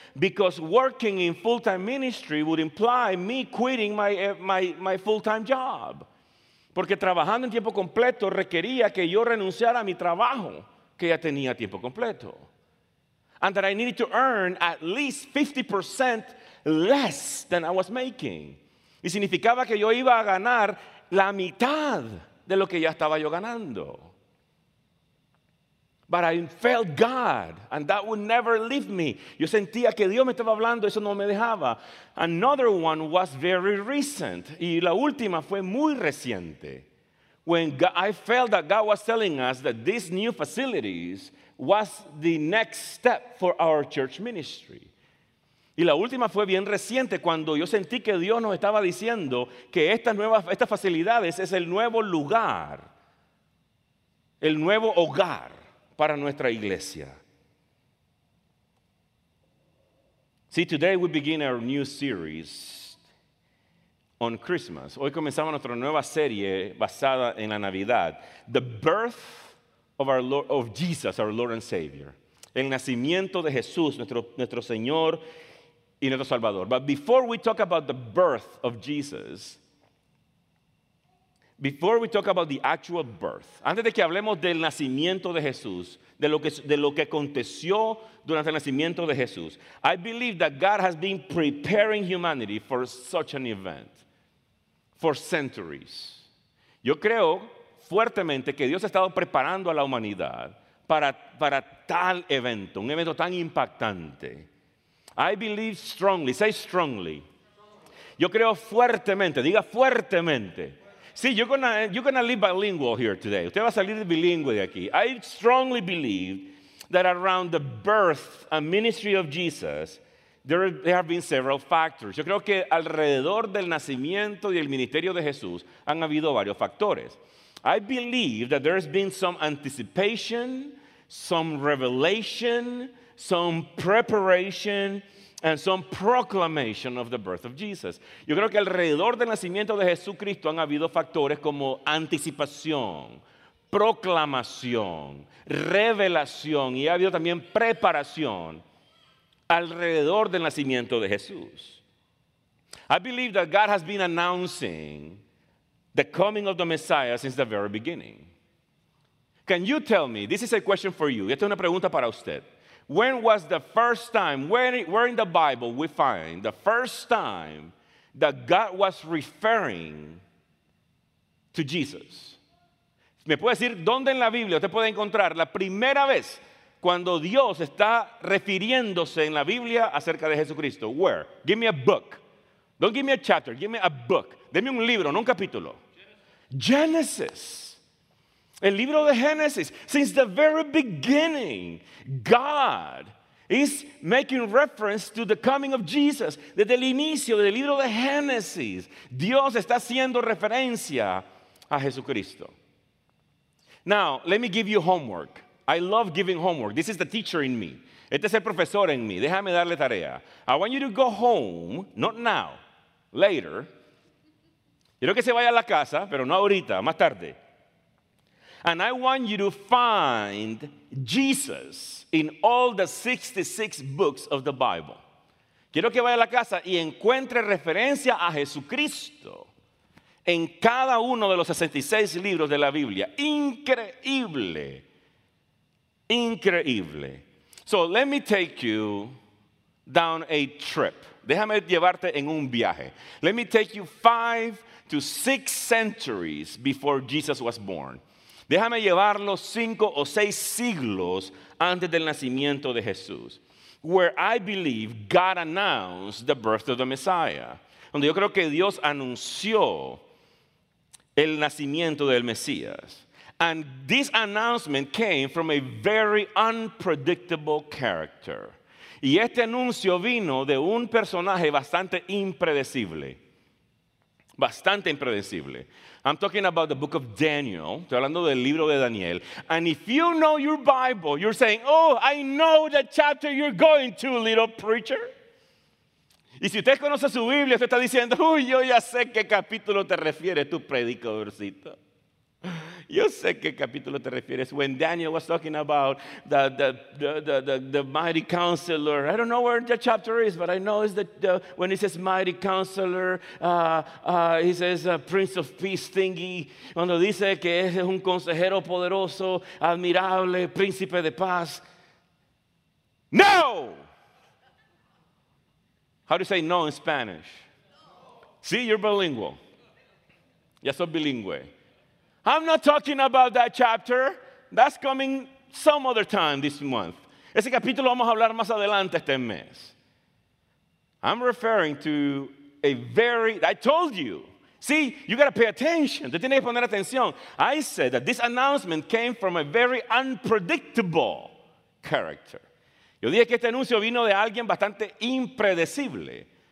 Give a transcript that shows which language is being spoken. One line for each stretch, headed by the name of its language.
English: Because working in full-time ministry would imply me quitting my full-time job.
Spanish: Porque trabajando en tiempo completo requería que yo renunciara a mi trabajo que ya tenía tiempo completo.
English: And that I needed to earn at least 50% less than I was making.
Spanish: Y significaba que yo iba a ganar la mitad de lo que ya estaba yo ganando.
English: But I felt God, and that would never leave me.
Spanish: Yo sentía que Dios me estaba hablando, eso no me dejaba.
English: Another one was very recent.
Spanish: Y la última fue muy reciente.
English: I felt that God was telling us that these new facilities was the next step for our church ministry.
Spanish: Y la última fue bien reciente, cuando yo sentí que Dios nos estaba diciendo que estas facilidades es el nuevo lugar, el nuevo hogar. Para nuestra iglesia.
English: See, today we begin our new series on Christmas.
Spanish: Hoy comenzamos nuestra nueva serie basada en la Navidad.
English: The birth of our Lord, of Jesus, our Lord and Savior.
Spanish: El nacimiento de Jesús, nuestro Señor y nuestro Salvador.
English: But before we talk about the birth of Jesus, before we talk about the actual birth,
Spanish: antes de que hablemos del nacimiento de Jesús,
English: de lo que aconteció durante el nacimiento de Jesús, I believe that God has been preparing humanity for such an event for centuries.
Spanish: Yo creo fuertemente que Dios ha estado preparando a la humanidad para tal evento, un evento tan impactante.
English: I believe strongly, say strongly.
Spanish: Yo creo fuertemente, diga fuertemente.
English: See, you're gonna live bilingual here today.
Spanish: Usted va a salir bilingüe de aquí.
English: I strongly believe that around the birth and ministry of Jesus, there have been several factors.
Spanish: Yo creo que alrededor del nacimiento y el ministerio de Jesús han habido varios factores.
English: I believe that there's been some anticipation, some revelation, some preparation, and some proclamation of the birth of Jesus.
Spanish: Yo creo que alrededor del nacimiento de Jesucristo han habido factores como anticipación, proclamación, revelación, y ha habido también preparación alrededor del nacimiento de Jesús.
English: I believe that God has been announcing the coming of the Messiah since the very beginning. Can you tell me, this is a question for you,
Spanish: esta es una pregunta para usted.
English: When was the first time, where in the Bible we find the first time that God was referring to Jesus?
Spanish: ¿Me puede decir dónde en la Biblia usted puede encontrar la primera vez cuando Dios está refiriéndose en la Biblia acerca de Jesucristo?
English: Where? Give me a book. Don't give me a chapter, give me a book.
Spanish: Deme un libro, no un capítulo.
English: Genesis.
Spanish: El libro de Génesis,
English: since the very beginning, God is making reference to the coming of Jesus.
Spanish: Desde el inicio del libro de Génesis, Dios está haciendo referencia a Jesucristo.
English: Now, let me give you homework. I love giving homework. This is the teacher in me.
Spanish: Este es el profesor en mí. Déjame darle tarea.
English: I want you to go home, not now, later.
Spanish: Quiero que se vaya a la casa, pero no ahorita, más tarde.
English: And I want you to find Jesus in all the 66 books of the Bible.
Spanish: Quiero que vaya a la casa y encuentre referencia a Jesucristo en cada uno de los 66 libros de la Biblia. Increíble. Increíble.
English: So let me take you down a trip.
Spanish: Déjame llevarte en un viaje.
English: Let me take you 5 to 6 centuries before Jesus was born.
Spanish: Déjame llevarlo 5 o 6 siglos antes del nacimiento de Jesús.
English: Where I believe God announced the birth of the Messiah.
Spanish: Donde yo creo que Dios anunció el nacimiento del Mesías.
English: And this announcement came from a very unpredictable character.
Spanish: Y este anuncio vino de un personaje bastante impredecible. Bastante impredecible.
English: I'm talking about the book of Daniel.
Spanish: Estoy hablando del libro de Daniel.
English: And if you know your Bible, you're saying, oh, I know the chapter you're going to, little preacher.
Spanish: Y si usted conoce su Biblia, usted está diciendo, uy, yo ya sé qué capítulo te refieres, tu predicadorcito. Yo sé qué capítulo te refieres.
English: When Daniel was talking about the mighty counselor, I don't know where the chapter is, but I know it's the when he says mighty counselor, he says prince of peace thingy.
Spanish: Cuando dice que es un consejero poderoso, admirable, príncipe de paz.
English: No! How do you say no in Spanish? No. See, you're bilingual.
Spanish: Ya soy bilingüe.
English: I'm not talking about that chapter. That's coming some other time this month.
Spanish: Ese capítulo vamos a hablar más adelante este mes.
English: I'm referring to a very, I told you. See, you got to pay attention.
Spanish: Te tienes que poner atención.
English: I said that this announcement came from a very unpredictable character.
Spanish: Yo dije que este anuncio vino de alguien bastante impredecible.